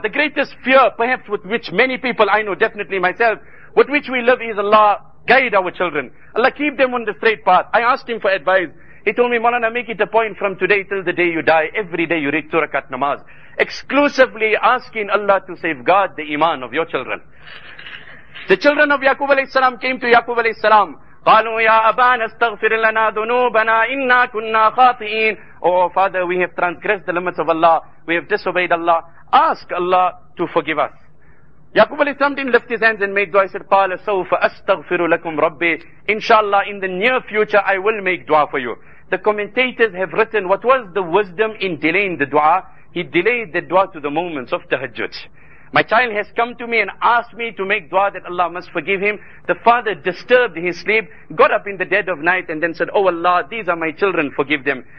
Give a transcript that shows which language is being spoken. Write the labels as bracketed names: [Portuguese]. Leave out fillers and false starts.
[English] The greatest fear, perhaps with which many people I know, definitely myself, with which we live, is Allah guide our children. Allah keep them on the straight path. I asked him for advice. He told me, Maulana, make it a point from today till the day you die, every day you read Surakat Namaz. Exclusively asking Allah to safeguard the iman of your children. The children of Yaqub alayhi salam came to Yaqub alayhi salam. [Arabic] قالوا يا أبانا استغفر لنا ذنوبنا إنا كنا خاطئين. [English] Oh Father, we have transgressed the limits of Allah. We have disobeyed Allah. Ask Allah to forgive us. Yaqub alayhi salam didn't lift his hands and make dua. He said, [Arabic] قال سوف أستغفر لكم ربي. [English] Inshallah, in the near future, I will make dua for you. The commentators have written, what was the wisdom in delaying the dua? He delayed the dua to the moments of tahajjud. My child has come to me and asked me to make dua that Allah must forgive him. The father disturbed his sleep, got up in the dead of night and then said, Oh Allah, these are my children, forgive them.